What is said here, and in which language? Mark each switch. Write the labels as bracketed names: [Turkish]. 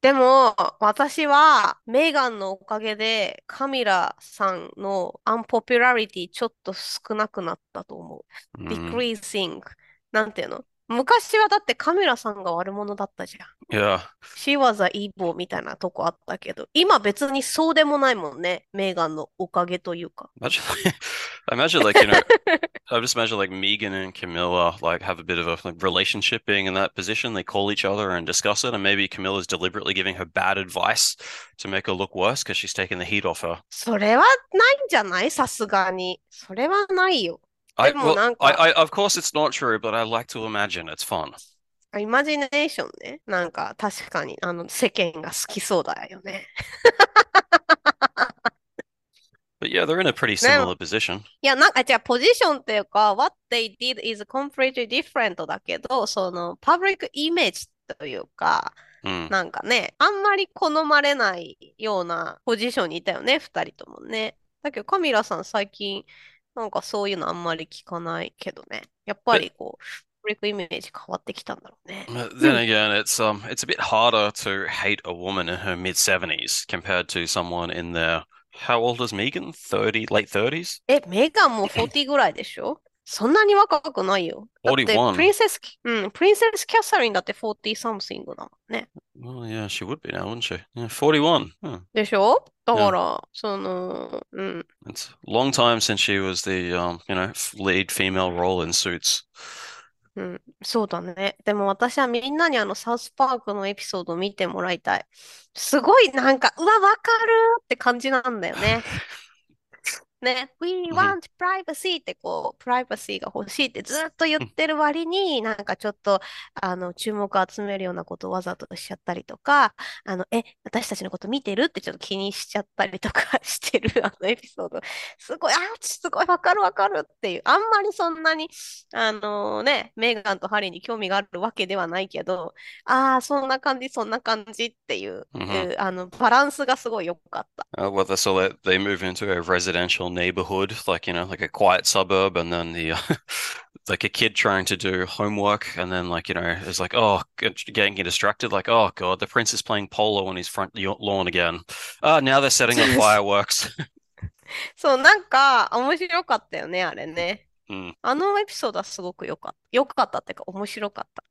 [Japanese] でも、私は、メガンのおかげで、カミラさんのアンポピュラリティちょっと少なくなったと思う。 decreasing。 なんていうの？昔はだってカミラさんが悪者だったじゃん。 [English] she was a evil [Japanese] みたいなとこあったけど、今別にそうでもないもんね。メガンのおかげというか。 [English] I just imagine like Meghan and Camilla like have a bit of a relationship being in that position. They call each other and discuss it, and maybe Camilla's deliberately giving her bad advice to make her look worse because she's taking the heat off her. [Japanese] それはないんじゃない？さすがに。それはないよ。でもなんか、 [English] Of course it's not true, but I like to imagine it's fun. [Japanese] イマジネーションね。なんか確かに、あの世間が好きそうだよね。 [English] But yeah, they're in a pretty [Japanese] でも、 [English] similar position. [Japanese] いや、なんか、じゃあポジションっていうか、 [English] what they did is completely different [Japanese] だけど、そのパブリックイメージというか、なんかね、あんまり好まれないようなポジションにいたよね、二人ともね。だけど、カミラさん最近、なんかそういうのあんまり聞かないけどね。やっぱりこう、フリックイメージ変わってきたんだろうね。 [English] But then again, it's a bit harder to hate a woman in her mid-70s compared to someone in their, how old is Megan? 30, late 30s? [Japanese] え、メーガンも40ぐらいでしょ？そんなに若くないよ。だって、 [English] 41. [Japanese] プリンセスキャサリンだって40 something だもんね。 [English] Well, yeah, she would be now, wouldn't she? Yeah, 41. [Japanese] でしょ？だか [English] Yeah. [Japanese] ら、その、 [English] It's a long time since she was the lead female role in Suits. [Japanese] そうだね。でも私はみんなにサウスパークのエピソードを見てもらいたい。すごいなんか、うわ、わかるって感じなんだよね。ね、 [English] We want privacy [Japanese] ってこう、プライバシーが欲しいってずっと言ってる割に、なんかちょっと、注目を集めるようなことをわざとしちゃったりとか、私たちのこと見てるってちょっと気にしちゃったりとかしてる、エピソード。すごい、あ、すごい、わかるわかるっていう。あんまりそんなに、メーガンとハリーに興味があるわけではないけど、ああ、そんな感じ、そんな感じっていう、バランスがすごい良かった。 [English] Well, that's all that they move into a residential neighborhood, like a quiet suburb, and then the like a kid trying to do homework, and then it's like, oh, getting distracted, like, oh God, the prince is playing polo on his front lawn again. Now they're setting off fireworks. [Japanese] そう、なんか面白かったよね、あれね。あのエピソードはすごく良かったっていうか、面白かった。